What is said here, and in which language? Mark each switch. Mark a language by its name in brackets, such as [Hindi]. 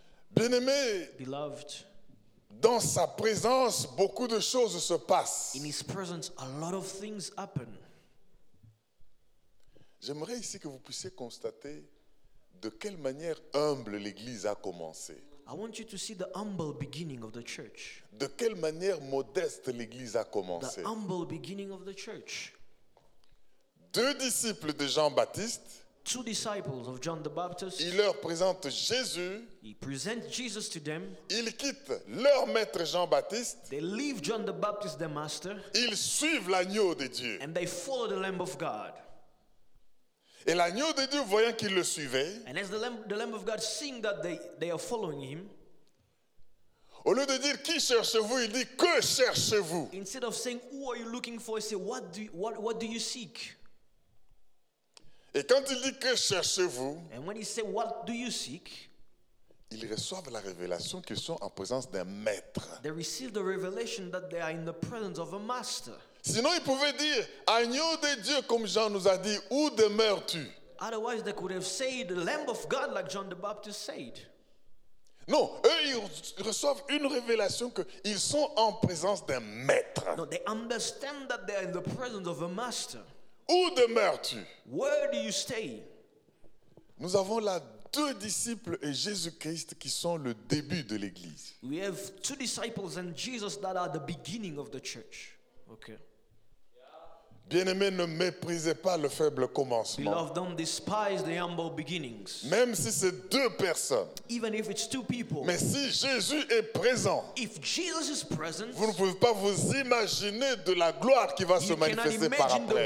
[French] Bien-aimé, [English] beloved, [French] dans sa présence, beaucoup de choses se passent. [English] In his presence, a lot of things happen. [French] J'aimerais ici que vous puissiez constater de quelle manière humble l'Église a commencé. [English] I want you to see the humble beginning of the church. [French] De quelle manière modeste l'Église a commencé. [English] The humble beginning of the church. [French] Deux disciples de Jean-Baptiste. [English] Two disciples of John the Baptist. [French] Il leur présente Jésus. [English] He presents Jesus to them. [French] Ils quittent leur maître Jean-Baptiste. [English] They leave John the Baptist, their master. [French] Ils suivent l'agneau de Dieu. [English] And they follow the Lamb of God. [French] Et l'agneau de Dieu, voyant qu'ils le suivaient, [English] and as the Lamb of God seeing that they are following him, [French] au lieu de dire qui cherchez-vous, il dit que cherchez-vous. [English] Instead of saying who are you looking for, he said what do you seek? [French] Et quand il dit que cherchez-vous, [English] and when he said what do you seek, [French] ils reçoivent la révélation qu'ils sont en présence d'un maître. [English] They receive the revelation that they are in the presence of a master. [French] Sinon, ils pouvaient dire agneau de Dieu comme Jean nous a dit, où demeures-tu? [English] Otherwise, they could have said Lamb of God like John the Baptist said. [French] Non, eux, ils reçoivent une révélation qu'ils sont en présence d'un maître. [English] No, they understand that they are in the presence of a master. [French] Où demeures-tu? [English] Where do you stay? [French] Nous avons là deux disciples et Jésus-Christ qui sont le début de l'Église. [English] We have two disciples and Jesus that are the beginning of the church. Okay. [French] Bien-aimé, ne méprisez pas le faible commencement. [English] Beloved, don't despise the humble beginnings. [French] Même si c'est deux personnes. [English] Even if it's two people. [French] Mais si Jésus est présent. [English] If Jesus is present. [French] Vous ne pouvez pas vous imaginer de la gloire qui va se manifester par après.